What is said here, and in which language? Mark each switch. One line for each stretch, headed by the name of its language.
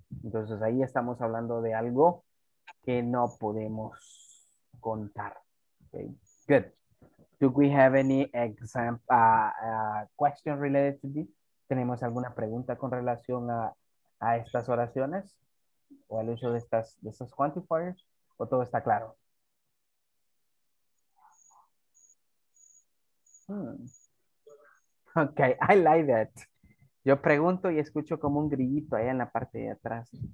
Spanish: Entonces ahí estamos hablando de algo que no podemos contar.
English: Okay, good. Do we have any example, question related to this?
Spanish: ¿Tenemos alguna pregunta con relación a estas oraciones? ¿O al uso de estas, de esos quantifiers? ¿O todo está claro? Hmm.
English: Okay, I like that.
Spanish: Yo pregunto y escucho como un grillito ahí en la parte de atrás.